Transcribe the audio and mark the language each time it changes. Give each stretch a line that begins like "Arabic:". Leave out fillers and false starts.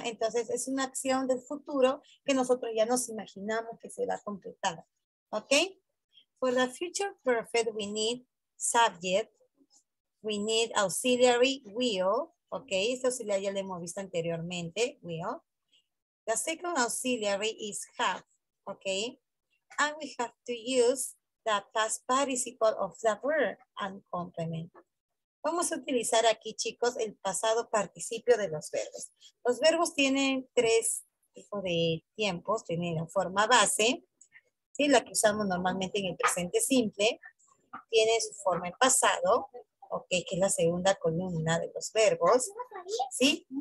Spanish: Entonces, es una acción del futuro que nosotros ya nos imaginamos que se va a completar. ¿Ok?
English: For the future perfect, we need subject, we need auxiliary, will. ¿Ok?
Spanish: Esto sí ya lo hemos visto anteriormente, will.
English: The second auxiliary is have. ¿Ok? And we have to use the past participle of the verb and complement.
Spanish: Vamos a utilizar aquí, chicos, el pasado participio de los verbos. Los verbos tienen tres tipos de tiempos. Tienen la forma base, ¿sí?, la que usamos normalmente en el presente simple. Tiene su forma en pasado, okay, que es la segunda columna de los verbos, ¿sí?